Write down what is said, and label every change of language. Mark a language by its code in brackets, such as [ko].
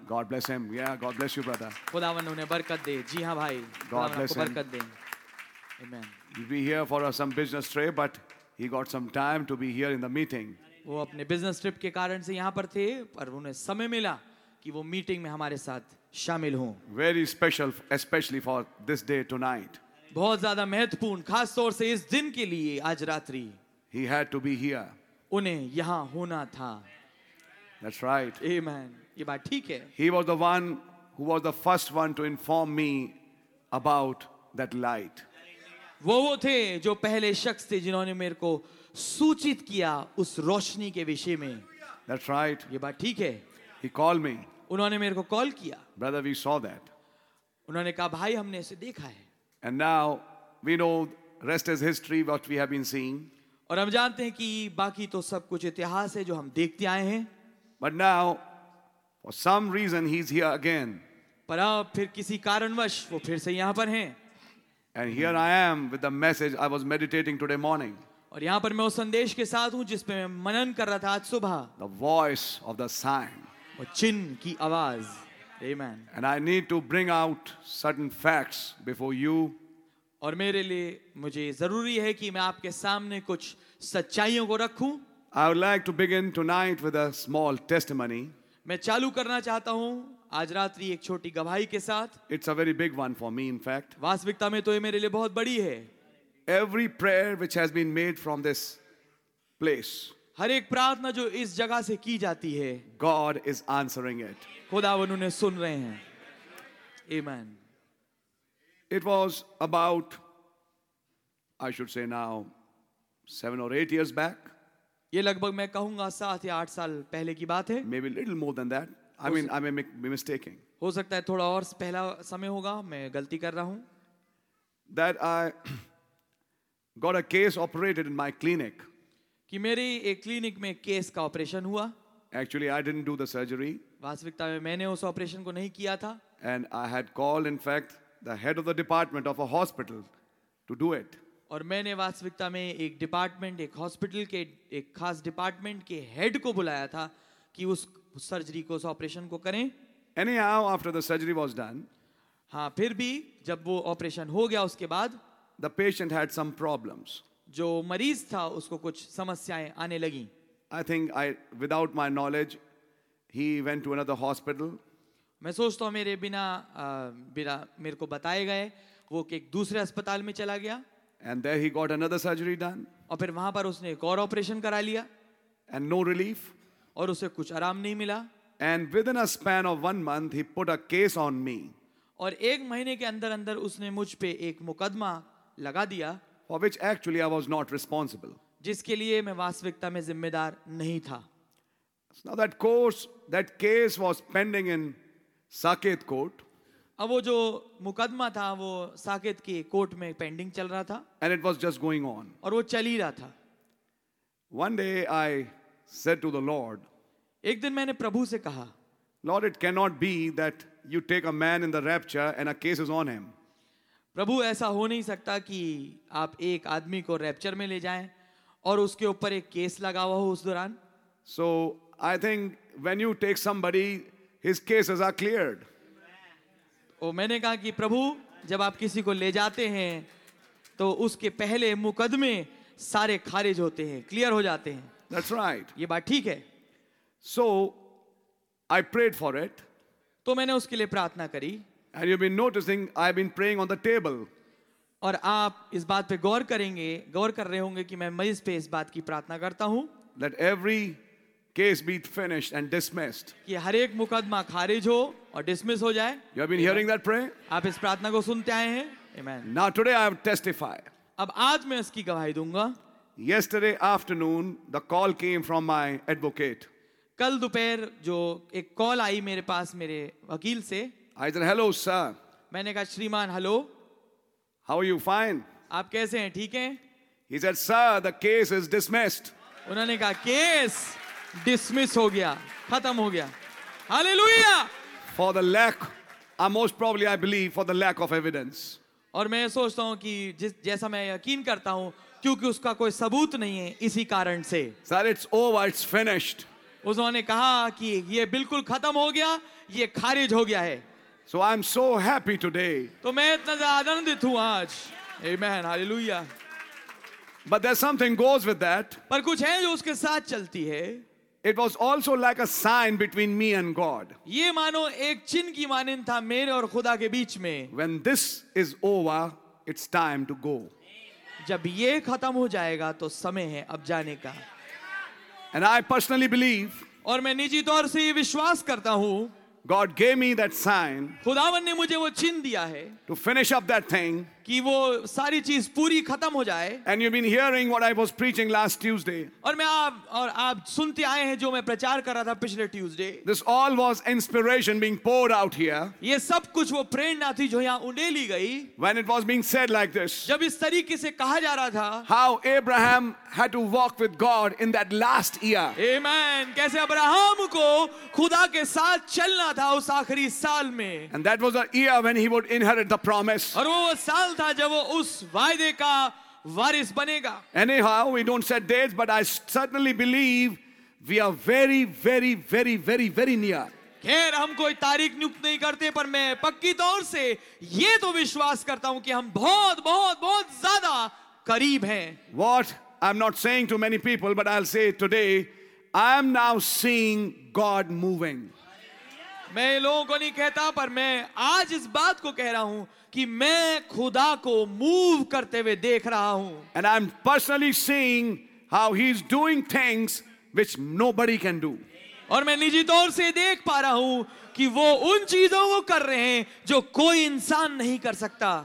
[en] God bless him. या God bless you brother. [hi] खुदावन उन्हें बरकत दे. जी हाँ भाई, [en] God bless him. [hi] बरकत दे. आमेन. [en] We be here for some business trip, but he got some time to be here in the meeting. [hi] वो अपने business trip के कारण से यहाँ पर थे, पर उन्हें समय मिला कि वो मीटिंग में हमारे साथ शामिल हों. [en] Very special, especially for this day tonight. [hi] बहुत ज़्यादा महत्वपूर्ण, खास तौर से इस दिन के लिए आज रात्रि. [en] He had to be here. [hi] उन्हें यहाँ होना था. [en] That's right. [hi] Amen. ये बात ठीक है. [en] He was the one who was the first one to inform me about that light. [hi] वो थे जो पहले शख्स थे जिन्होंने मेरे को सूचित किया उस रोशनी के विषय में. [en] That's right. [hi] ये बात ठीक है. [en] He called me. [hi] उन्होंने मेरे को कॉल किया. [en] Brother, we saw that. [hi] उन्होंने कहा भाई हमने इसे देखा है. [en] And now we know rest is history what we have been seeing. [hi] और हम जानते हैं कि बाकी तो सब कुछ इतिहास है जो हम देखते आए हैं. [en] But now for some reason he's here again. [hi] पर अब फिर किसी कारणवश वो फिर से यहां पर हैं. [en] And here I am with the message I was meditating today morning. [hi] और यहां पर मैं उस संदेश के साथ हूं जिस पे मैं मनन कर रहा था आज सुबह. [en] The voice of the sign. [hi] वो चिन्ह की आवाज. Amen. [en] And I need to bring out certain facts before you. [hi] और मेरे लिए मुझे जरूरी है कि मैं आपके सामने कुछ सच्चाइयों को रखूं. [en] I would like to begin tonight with a small testimony. [hi] मैं चालू करना चाहता हूं आज रात्रि एक छोटी गवाही के साथ. [en] It's a very big one for me, in fact. [hi] वास्तविकता में तो ये मेरे लिए बहुत बड़ी है. [en] Every prayer which has been made from this place. [hi] हर एक प्रार्थना जो इस जगह से की जाती है. [en] God is answering it. [hi] खुदावन उन्हें सुन रहे हैं. Amen. [en] It was about, I should say now, 7 or 8 years back. [hi] ये लगभग मैं कहूँगा 7 या 8 साल पहले की बात है. [en] Maybe little more than that. I may be mistaken. [hi] हो सकता है थोड़ा और पहला समय होगा. मैं गलती कर रहा हूँ. [en] That I got a case operated in my clinic. [hi] कि मेरी एक क्लिनिक में केस का ऑपरेशन हुआ. [en] Actually, I didn't do the surgery. [hi] वास्तविकता में मैंने उस ऑपरेशन को नहीं किया था. [en] And I had called, in fact. The head of the department of a hospital to do it. [hi] और मैंने वास्तविकता में एक department, एक hospital के एक खास department के head को बुलाया था कि उस surgery को, उस operation को करें. [en] Anyhow, after the surgery was done. [hi] हाँ, फिर भी जब वो operation हो गया उसके बाद. [en] The patient had some problems. [hi] जो मरीज था उसको कुछ समस्याएं आने लगी. [en] I think I, without my knowledge, he went to another hospital. [hi] मैं सोचता हूँ मेरे बिना बिना मेरे को बताए गए वो एक दूसरे अस्पताल में चला गया. [en] And there he got another surgery done. [hi] और फिर वहां पर उसने एक और ऑपरेशन करा लिया. [en] And no relief. [hi] और उसे कुछ आराम नहीं मिला. [en] And within a span of 1 month he put a case on me. [hi] और एक महीने के अंदर अंदर उसने मुझ पे एक मुकदमा लगा दिया. [en] For which actually I was not responsible. [hi] जिसके लिए मैं वास्तविकता में जिम्मेदार नहीं था. [en] Now that course, that case was pending in Saket court. [hi] अब वो जो मुकदमा था वो साकेत के कोर्ट में पेंडिंग चल रहा था. [en] And it was just going on. [hi] और वो चल ही रहा था. [en] One day I said to the Lord. [hi] एक दिन मैंने प्रभु से कहा. [en] Lord, it cannot be that you take a man in the rapture and a case is on him. [hi] प्रभु ऐसा हो नहीं सकता कि आप एक आदमी को रैप्चर में ले जाएं और उसके ऊपर एक केस लगा हुआ हो उस दौरान. [en] So I think when you take somebody. His cases are cleared. [hi] Oh, मैंने कहा कि प्रभु जब आप किसी को ले जाते हैं तो उसके पहले मुकदमे सारे खारिज होते हैं, क्लियर हो जाते हैं. [en] That's right. [hi] ये बात ठीक है. [en] So, I prayed for it. [hi] तो मैंने उसके लिए प्रार्थना करी. [en] And you've been noticing I've been praying on the table. [hi] और आप इस बात पे गौर कर रहे होंगे कि मैं मरीज पे इस बात की प्रार्थना करता हूँ. [en] That every case be finished and dismissed. [hi] कि हर एक मुकदमा खारिज हो और dismiss हो जाए. [en] You have been hearing that prayer. [hi] आप इस प्रार्थना को सुनते आए हैं. Amen. [en] Now today I have testify. [hi] अब आज मैं इसकी गवाही दूंगा. [en] Yesterday afternoon the call came from my advocate. [hi] कल दोपहर जो एक कॉल आई मेरे पास मेरे वकील से. [en] I said hello sir. [hi] मैंने कहा श्रीमान hello. [en] How are you fine? [hi] आप कैसे हैं, ठीक हैं? [en] He said sir the case is dismissed. [hi] उन्होंने कहा केस डिसमिस हो गया, खत्म हो गया. Hallelujah. [en] For the lack I most probably I believe for the lack of evidence. [hi] और मैं सोचता हूं कि जैसा मैं यकीन करता हूं क्योंकि उसका कोई सबूत नहीं है इसी कारण से. [en] Sir it's over, it's finished. [hi] उन्होंने कहा कि ये बिल्कुल खत्म हो गया, ये खारिज हो गया है. [en] So I am so happy today. [hi] तो मैं इतना आनंदित हूं आज. आमेन. Hallelujah. [en] But there something goes with that. [hi] पर कुछ है जो उसके साथ चलती है. [en] It was also like a sign between me and God. [hi] ये मानो एक चिन्ह की मानिंद था मेरे और खुदा के बीच में. [en] When this is over, it's time to go. [hi] जब ये खत्म हो जाएगा तो समय है अब जाने का. [en] And I personally believe, [hi] और मैं निजी तौर से ये विश्वास करता हूँ, [en] God gave me that sign, [hi] खुदावन ने मुझे वो चिन्ह दिया है, [en] to finish up that thing, [hi] कि वो सारी चीज पूरी खत्म हो जाए. [en] And you've been hearing what I was preaching last Tuesday, [hi] और आप सुनते आए हैं जो मैं प्रचार कर रहा था पिछले Tuesday. [en] This all was inspiration being poured out here, [hi] ये सब कुछ वो प्रेरणा थी जो यहाँ उंडेली गई. [en] When it was being said like this, [hi] जब इस तरीके से कहा जा रहा था, [en] how Abraham had to walk with God in that last year, [hi] amen, कैसे अब्राहम को खुदा के साथ चलना था उस आखिरी साल में. [en] And that was the year when he would inherit the promise, [hi] और वो साल था जब वो उस वायदे का वारिस बनेगा. [en] Anyhow, we don't set dates, but I certainly believe we are very, very, very, very, very near. [hi] खैर हम कोई तारीख नियुक्त नहीं करते, पर मैं पक्की तौर से ये तो विश्वास करता हूं कि हम बहुत बहुत बहुत ज्यादा करीब हैं. [en] What I'm not saying to many people, but I'll say it today, I'm now seeing God moving. [hi] मैं लोगों को नहीं कहता, पर मैं आज इस बात को कह रहा हूं कि मैं खुदा को मूव करते हुए देख रहा हूं. [en] And I am personally seeing how he is doing things which nobody can do. [hi] और मैं निजी तौर से देख पा रहा हूं कि वो उन चीजों को कर रहे हैं जो कोई इंसान नहीं कर सकता.